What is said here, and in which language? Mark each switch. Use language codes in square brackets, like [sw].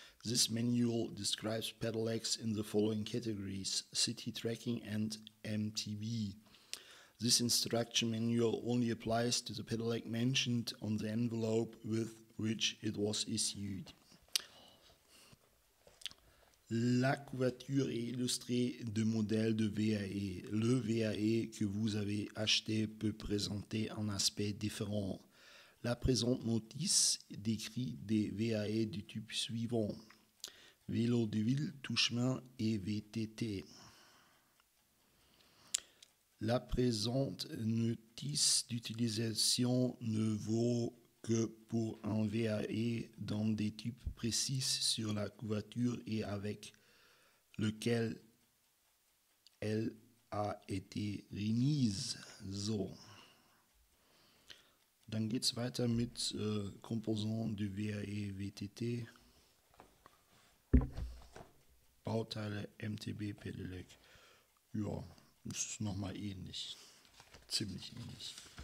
[en] This manual describes Pedelecs in the following categories, City Tracking and MTB. This instruction manual only applies to the Pedelec mentioned on the envelope with which it was issued. [fr] La couverture est illustrée de modèles de VAE. Le VAE que vous avez acheté peut présenter un aspect différent. La présente notice décrit des VAE du type suivant. Vélo de ville, tout chemin et VTT. La présente notice d'utilisation ne vaut que pour un VAE dans des types précis sur la couverture et avec lequel elle a été remise. So. [de] Dann geht es weiter mit [fr] Composants du VAE WTT. [de] Bauteile MTB Pedelec. Ja, das ist nochmal ähnlich. Ziemlich ähnlich.